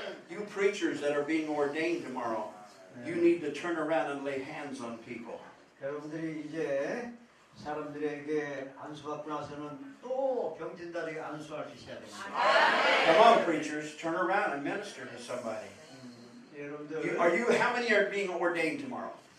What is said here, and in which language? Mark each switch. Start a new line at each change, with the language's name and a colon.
English: You preachers that are being ordained tomorrow, you need to turn around and lay hands on people.
Korean: 여러분들이 이제 사람들에게 안수받고 나서는 또 병진들에게 안수할 수 있어야 됩니다.
English: Come on, preachers, turn around and minister to somebody.
Korean: 여러분들,
English: how many are being ordained tomorrow?